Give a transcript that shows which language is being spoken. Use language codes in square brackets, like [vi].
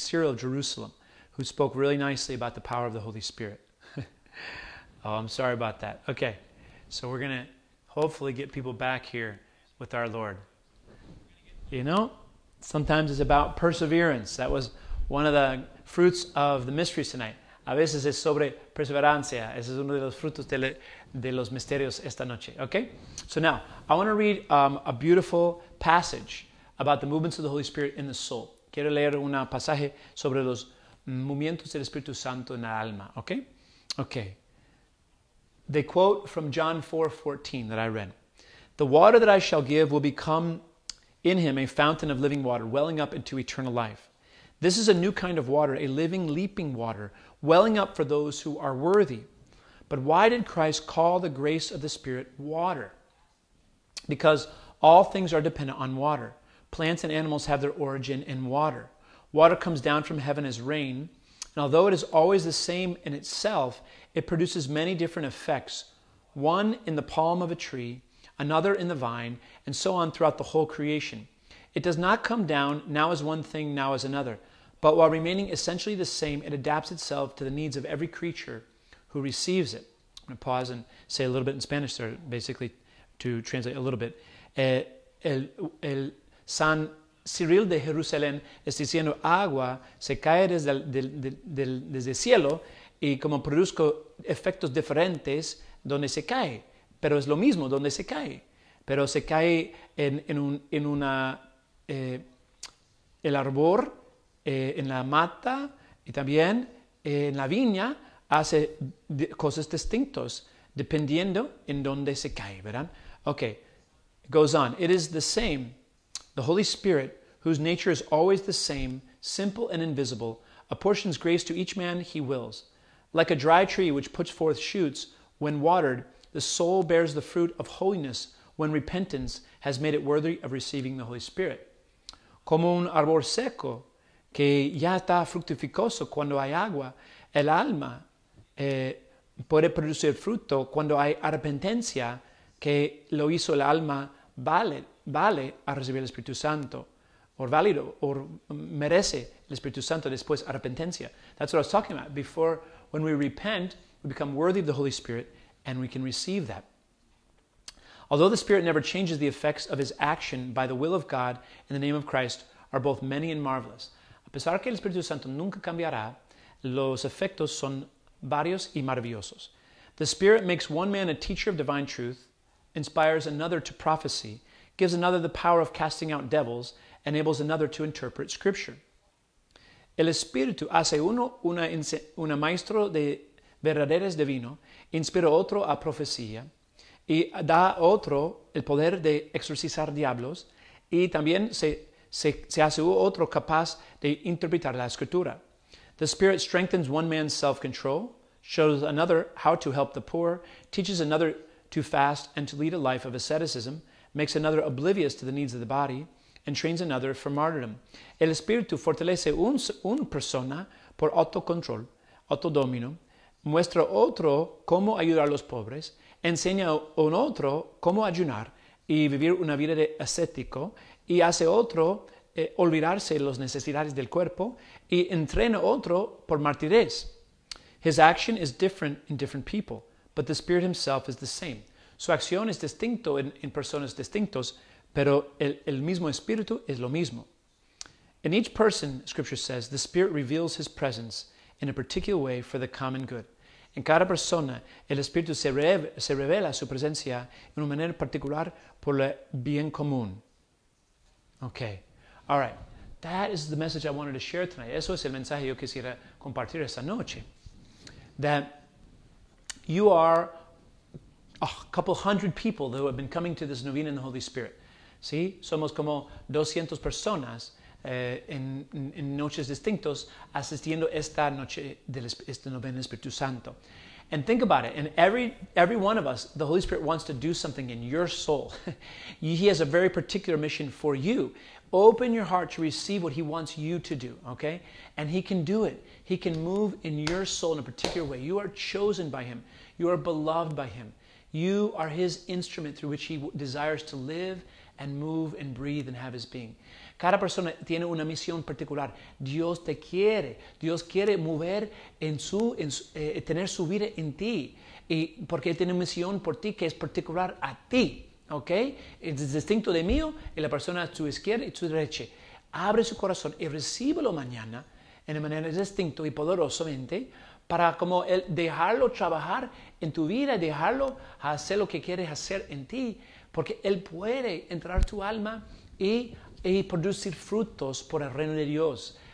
[en] Cyril of Jerusalem, who spoke really nicely about the power of the Holy Spirit. Oh, I'm sorry about that. Okay, so we're going to hopefully get people back here with our Lord. You know, sometimes it's about perseverance. That was one of the fruits of the mysteries tonight. [es] A veces es sobre perseverancia. Ese es uno de los frutos de los misterios esta noche. [en] Okay? So now, I want to read a beautiful passage about the movements of the Holy Spirit in the soul. [es] Quiero leer un pasaje sobre los movimientos del Espíritu Santo en la alma. [en] Okay? Okay. The quote from John 4:14 that I read. The water that I shall give will become in him a fountain of living water, welling up into eternal life. This is a new kind of water, a living, leaping water, welling up for those who are worthy. But why did Christ call the grace of the Spirit water? Because all things are dependent on water. Plants and animals have their origin in water. Water comes down from heaven as rain, and although it is always the same in itself, it produces many different effects, one in the palm of a tree, another in the vine, and so on throughout the whole creation. It does not come down now as one thing, now as another, but while remaining essentially the same, it adapts itself to the needs of every creature who receives it. I'm going to pause and say a little bit in Spanish there, basically to translate a little bit. [es] El San Cyril de Jerusalén es diciendo, agua se cae desde el cielo y como produzco efectos diferentes donde se cae. Pero es lo mismo donde se cae. Pero se cae el arbor, en la mata y también en la viña hace cosas distintas dependiendo en donde se cae, ¿verdad? [en] Okay, it goes on. It is the same, the Holy Spirit, whose nature is always the same, simple and invisible, apportions grace to each man he wills. Like a dry tree which puts forth shoots when watered, the soul bears the fruit of holiness when repentance has made it worthy of receiving the Holy Spirit. [es] Como un árbol seco, que ya está fructificoso cuando hay agua, el alma puede producir fruto cuando hay arrepentencia, que lo hizo el alma vale a recibir el Espíritu Santo, o válido, o merece el Espíritu Santo después arrepentencia. [en] That's what I was talking about. Before, when we repent, we become worthy of the Holy Spirit, and we can receive that. Although the Spirit never changes, the effects of His action by the will of God in the name of Christ are both many and marvelous. [es] A pesar que el Espíritu Santo nunca cambiará, los efectos son varios y maravillosos. [en] The Spirit makes one man a teacher of divine truth, inspires another to prophecy, gives another the power of casting out devils, enables another to interpret scripture. [es] El Espíritu hace uno una maestro de verdaderas divino, inspira otro a profecía, y da otro el poder de exorcizar diablos, y también se hace otro capaz de interpretar la escritura. [en] The Spirit strengthens one man's self-control, shows another how to help the poor, teaches another to fast and to lead a life of asceticism, makes another oblivious to the needs of the body, and trains another for martyrdom. [es] El Espíritu fortalece un persona por autocontrol, autodominio, muestra otro cómo ayudar a los pobres, enseña a un otro cómo ayunar y vivir una vida de ascético, y hace otro olvidarse de las necesidades del cuerpo, y entrena otro por martirez. [en] His action is different in different people, but the Spirit himself is the same. [es] Su acción es distinto en personas distintos, pero el mismo Espíritu es lo mismo. [en] In each person, Scripture says, the Spirit reveals his presence in a particular way for the common good. [es] En cada persona, el Espíritu se revela su presencia de una manera particular por el bien común. [en] Okay. All right. That is the message I wanted to share tonight. [es] Eso es el mensaje yo quisiera compartir esta noche. [en] That you are a couple hundred people who have been coming to this novena in the Holy Spirit. [es] ¿Sí? Somos como 200 personas en noches distintos asistiendo esta noche de esta novena del Espíritu Santo. [en] And think about it. And every one of us, the Holy Spirit wants to do something in your soul. He has a very particular mission for you. Open your heart to receive what he wants you to do, okay? And he can do it. He can move in your soul in a particular way. You are chosen by him. You are beloved by him. You are his instrument through which he desires to live and move and breathe and have his being. [es] Cada persona tiene una misión particular. Dios te quiere. Dios quiere mover tener su vida en ti. Y porque él tiene una misión por ti que es particular a ti. ¿Ok? Es distinto de mío y la persona a tu izquierda y tu derecha. Abre su corazón y recíbelo mañana en una manera distinta y poderosamente para como él dejarlo trabajar en tu vida, dejarlo hacer lo que quiere hacer en ti, porque él puede entrar tu alma y producir frutos por el reino de Dios.